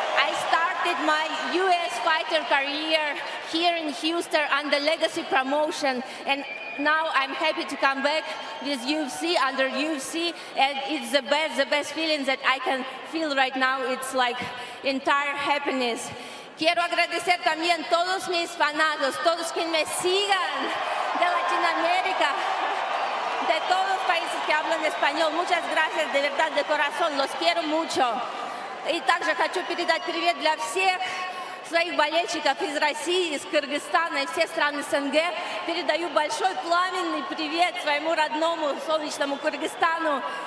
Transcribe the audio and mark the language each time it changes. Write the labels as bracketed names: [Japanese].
[English] I started my U.S. fighter career here in Houston under Legacy Promotion, and now I'm happy to come back with UFC, under UFC, and it's the best feeling that I can feel right now. It's like entire happiness. [Spanish] Quiero agradecer también todos mis fanáticos, todos quien me sigan de Latinoamérica, de todos los países que hablan español. Muchas gracias, de verdad, de corazón. Los quiero mucho. [Russian] Y также хочу передать привет для всех своих болельщиков из России, из Кыргызстана и все страны СНГ. Передаю большой пламенный привет своему родному солнечному Кыргызстану.